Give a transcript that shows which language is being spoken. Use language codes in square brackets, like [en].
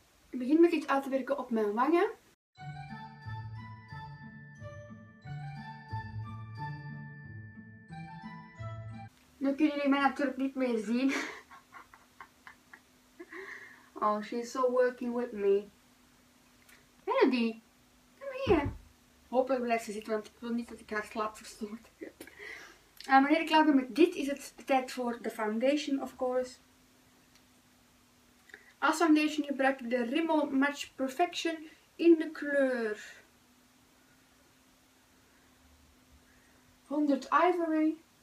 [nl] Ik begin met iets uit te werken op mijn wangen. Nu kunnen jullie mij natuurlijk niet meer zien. [en] Oh, she's so working with me. [nl] Die. Kom hier. Hopelijk blijft ze zitten, want ik wil niet dat ik haar slaap verstoord heb. Wanneer ik klaar ben met dit, is het tijd voor de foundation, [en] of course. [nl] Als foundation gebruik ik de Rimmel Match Perfection in de kleur 100 Ivory.